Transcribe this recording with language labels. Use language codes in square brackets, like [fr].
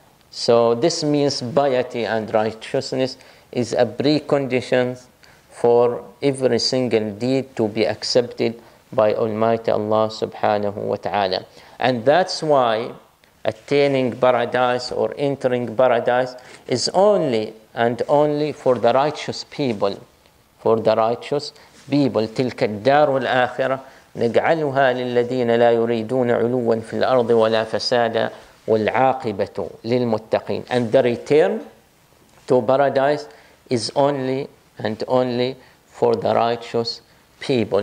[en] So this means piety and righteousness is a precondition for every single deed to be accepted by Almighty Allah subhanahu wa ta'ala. And that's why attaining paradise or entering paradise is only and only for the righteous people. For the righteous people. [ar] تلك الدار الآخرة نجعلها للذين لا يريدون علوا في الأرض ولا فسادا والعاقبة للمتقين. [en] And the return to paradise is only and only for the righteous people.